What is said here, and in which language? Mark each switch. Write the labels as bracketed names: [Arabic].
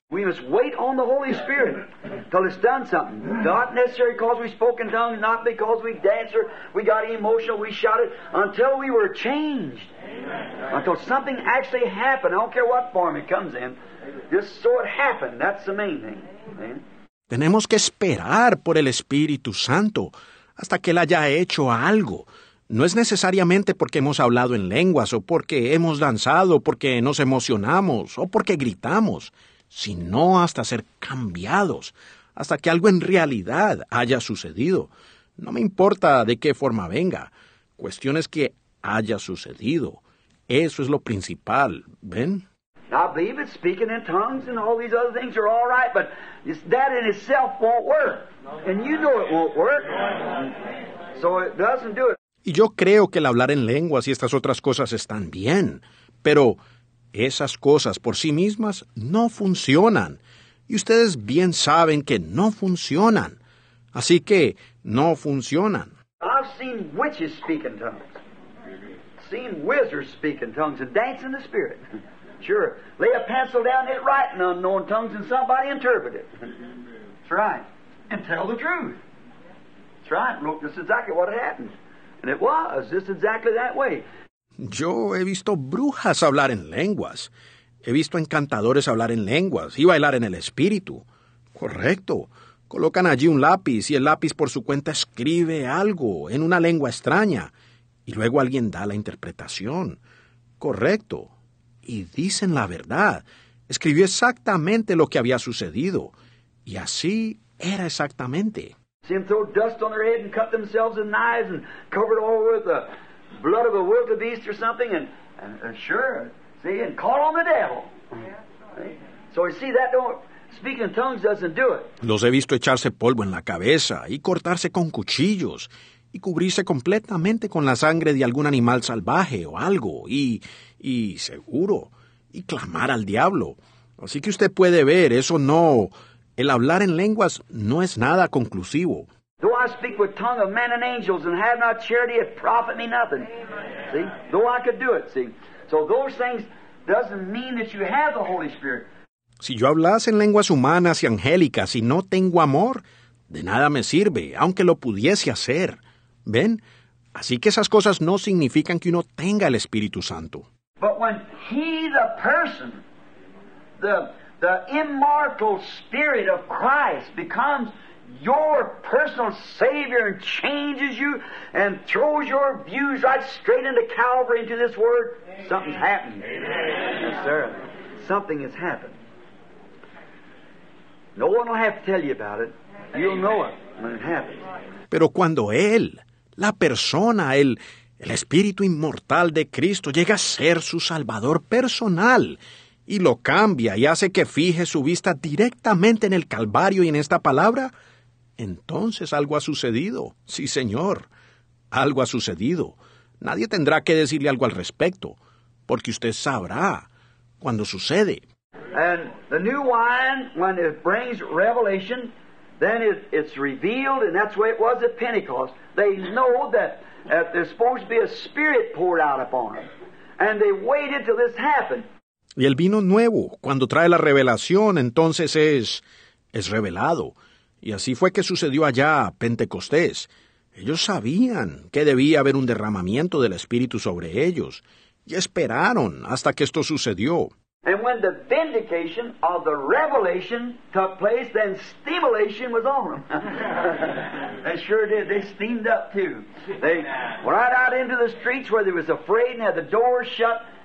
[English] We must wait on the Holy Spirit till it's done something. Not necessarily because we spoke in tongues, not because we danced or we got emotional, we shouted, until we were changed. Amen. Until something actually happened. I don't care what form it comes in. Just so it happened. That's the main thing. Amen. [Spanish] Tenemos que esperar por el Espíritu Santo hasta que Él haya hecho algo. No es necesariamente porque hemos hablado en lenguas o porque hemos danzado, porque nos emocionamos o porque gritamos, sino hasta ser cambiados, hasta que algo en realidad haya sucedido. No me importa de qué forma venga. Cuestión es que haya sucedido. Eso es lo principal. ¿Ven? [English] I believe it, speaking in tongues and all these other things are all right, but that in itself won't work. And you know it won't work. So it doesn't do it. [Spanish] Y yo creo que el hablar en lenguas y estas otras cosas están bien, pero esas cosas por sí mismas no funcionan. Y ustedes bien saben que no funcionan. Así que no funcionan. [English] I've seen witches speak in tongues. Seen wizards speak in tongues and dance in the spirit. Sure. Lay a pencil down and write in unknown tongues and somebody interpret it. That's right. And tell the truth. That's right. Look, this is exactly what happened. And it was just exactly that way. [Spanish] Yo he visto brujas hablar en lenguas. He visto encantadores hablar en lenguas y bailar en el espíritu. Correcto. Colocan allí un lápiz y el lápiz por su cuenta escribe algo en una lengua extraña. Y luego alguien da la interpretación. Correcto. Y dicen la verdad. Escribió exactamente lo que había sucedido. Y así era exactamente. [English] See, throw dust on their head and cut themselves in knives and covered all with blood of a wildebeest or something, and sure, see, and call on the devil. Yeah, right. So you see, that don't, speaking in tongues doesn't do it. [Spanish] Los he visto echarse polvo en la cabeza y cortarse con cuchillos y cubrirse completamente con la sangre de algún animal salvaje o algo y seguro, y clamar al diablo. Así que usted puede ver, eso no, el hablar en lenguas no es nada conclusivo. [English] Though I speak with tongue of men and angels and have not charity, it profit me nothing. Amen. See? Though I could do it, see? So those things doesn't mean that you have the Holy Spirit. [Spanish] Si yo hablase en lenguas humanas y angélicas y no tengo amor, de nada me sirve, aunque lo pudiese hacer. ¿Ven? Así que esas cosas no significan que uno tenga el Espíritu Santo. [English] But when he, the person, the immortal spirit of Christ becomes your personal Savior and changes you and throws your views right straight into Calvary, into this Word, amen. Something's happened. Amen. Yes, sir. Something has happened. No one will have to tell you about it. You'll amen. Know it when it happens. [Spanish] Pero cuando Él, la persona, el Espíritu inmortal de Cristo, llega a ser su Salvador personal y lo cambia y hace que fije su vista directamente en el Calvario y en esta palabra, entonces algo ha sucedido. Sí, señor, algo ha sucedido. Nadie tendrá que decirle algo al respecto, porque usted sabrá cuando sucede. [English] And the new wine, when it brings revelation, then it's revealed, and that's the way it was at Pentecost. They know that there's supposed to be a spirit poured out upon them, and they waited till this happened. [Spanish] Y el vino nuevo, cuando trae la revelación, entonces es revelado. Y así fue que sucedió allá, Pentecostés. Ellos sabían que debía haber un derramamiento del Espíritu sobre ellos. Y esperaron hasta que esto sucedió. [English] And when the vindication of the revelation took place, then steamulation was on them. They sure did. They steamed up too. They right out into the streets where they was afraid and had the doors shut.